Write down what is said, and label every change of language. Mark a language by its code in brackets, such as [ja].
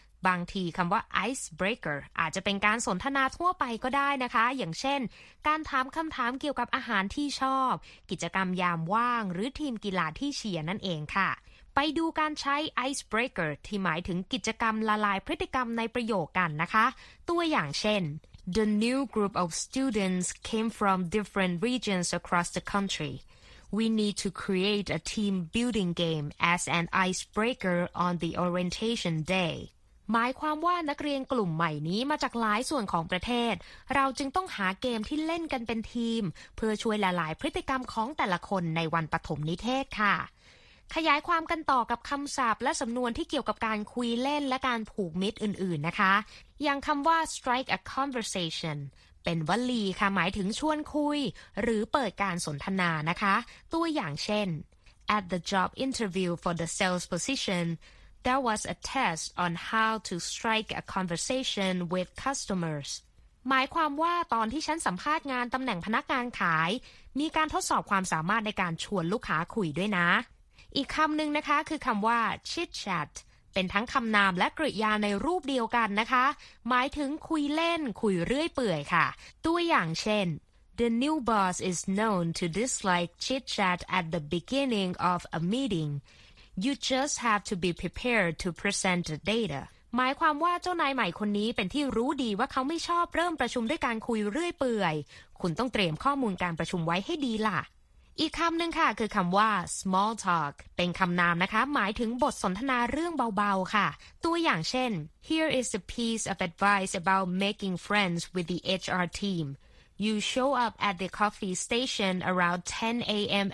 [th] บางทีคำว่า icebreaker อาจจะเป็นการสนทนาทั่วไปก็ได้นะคะอย่างเช่นการถามคำถามเกี่ยวกับอาหารที่ชอบกิจกรรมยามว่างหรือทีมกีฬาที่เชียร์นั่นเองค่ะไปดูการใช้ icebreaker ที่หมายถึงกิจกรรมละลายพฤติกรรมในประโยคกันนะคะตัวอย่างเช่น [en] The new group of students came from different regions across the country. We need to create a team building game as an icebreaker on the orientation day. [th] หมายความว่านักเรียนกลุ่มใหม่นี้มาจากหลายส่วนของประเทศเราจึงต้องหาเกมที่เล่นกันเป็นทีมเพื่อช่วยละลายพฤติกรรมของแต่ละคนในวันปฐมนิเทศค่ะ ขยายความกันต่อกับคำศัพท์และสำนวนที่เกี่ยวกับการคุยเล่นและการผูกมิตรอื่นๆนะคะอย่างคำว่า strike a conversation เป็นวลีค่ะหมายถึงชวนคุยหรือเปิดการสนทนานะคะตัวอย่างเช่น [en] at the job interview for the sales position there was a test on how to strike a conversation with customers [th] หมายความว่าตอนที่ฉันสัมภาษณ์งานตำแหน่งพนักงานขายมีการทดสอบความสามารถในการชวนลูกค้าคุยด้วยนะ อีกคำหนึ่งนะคะคือคำว่า chit chatเป็นทั้งคำนามและกริยาในรูปเดียวกันนะคะหมายถึงคุยเล่นคุยเรื่อยเปื่อยค่ะตัวอย่างเช่น [en] The new boss is known to dislike chit chat at the beginning of a meeting. You just have to be prepared to present the data. [th] หมายความว่าเจ้านายใหม่คนนี้เป็นที่รู้ดีว่าเขาไม่ชอบเริ่มประชุมด้วยการคุยเรื่อยเปื่อยคุณต้องเตรียมข้อมูลการประชุมไว้ให้ดีล่ะอีกคำหนึ่งค่ะคือคำว่า small talk เป็นคำนามนะคะหมายถึงบทสนทนาเรื่องเบาๆค่ะตัวอย่างเช่น [en] here is a piece of advice about making friends with the HR team you show up at the coffee station around 10 a.m.